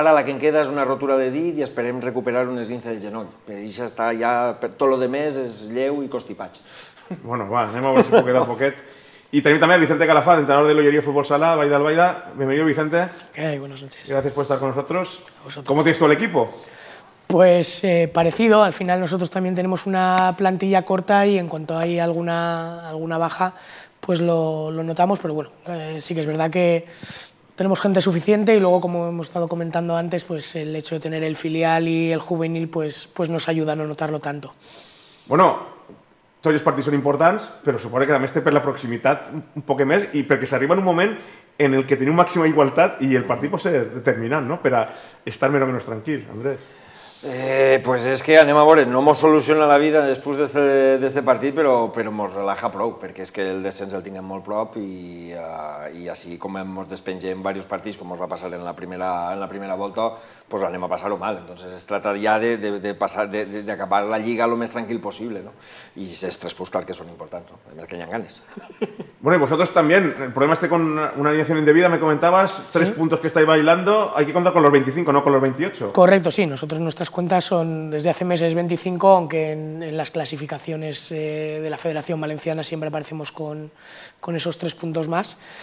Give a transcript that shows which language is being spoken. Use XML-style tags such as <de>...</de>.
<ca>Ara la que en queda és una rotura de dit i esperem recuperar un esguince de genoll. Per això està ja, per tot lo demés, és lleu i constipats. Bueno, va, anem a veure si puc quedar poquet. I tenim també Vicente Calafà, entrenador de l'Olleria Futbol Sala, Vall d'Albaida. Benvingut, Vicente.</ca> <es>Què, hey, buenas noches.</es> <ca>Gràcies per estar</ca> <es>con nosotros. ¿Cómo tienes tú el equipo? Pues parecido, al final nosotros también tenemos una plantilla corta y en cuanto hay alguna baja, pues lo notamos, pero bueno, sí que es verdad que tenemos gente suficiente y luego, como hemos estado comentando antes, pues el hecho de tener el filial y el juvenil pues nos ayuda a no notarlo tanto.</es> <ca>Bueno, tots els partits són importants, però supone que també este per la proximitat un poc més i perquè s'arriba en un moment en el que tenim màxima igualtat i el partit pot ser determinant, no?, per a estar més o menys tranquil, Andrés. Pues és que anem a veure, no mos soluciona la vida després d'este partit, però mos relaja prou, perquè és que el descens el tinguem molt prop i així com mos despengem en diversos partits, com mos va passar en la primera volta, pues anem a passar-ho mal. Entonces es tracta ja d'acabar la lliga el més tranquil possible, no? I els tres punts, clar que són importants, no? A més que hi ha ganes.</ca> <es>Bueno,</es> <ca>i vosaltres també,</ca> <es>el problema este con una alineació indebida, me comentabas, tres puntos que estáis bailando, hay que contar con los 25, no con los 28. Correcto, sí, nuestras cuentas son desde hace meses 25, aunque en las clasificaciones de la Federación Valenciana siempre aparecemos con esos tres puntos más.</es>